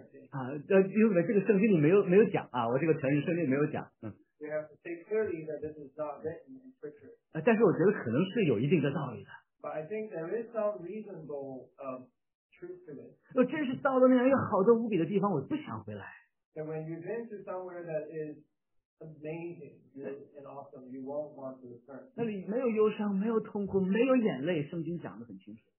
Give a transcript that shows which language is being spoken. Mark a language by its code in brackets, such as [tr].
[zh] 啊，因为这个圣经里没有讲啊，我这个承认圣经没有讲。嗯。但是我觉得可能是有一定的道理的。 [en] But I think there is some reasonable truth to it. [zh] 我真是到了那样一个好的无比的地方，我不想回来。 [en] And when you've been to somewhere that is amazing and awesome, you won't want to return. [zh] 那里没有忧伤，没有痛苦，没有眼泪，圣经讲得很清楚。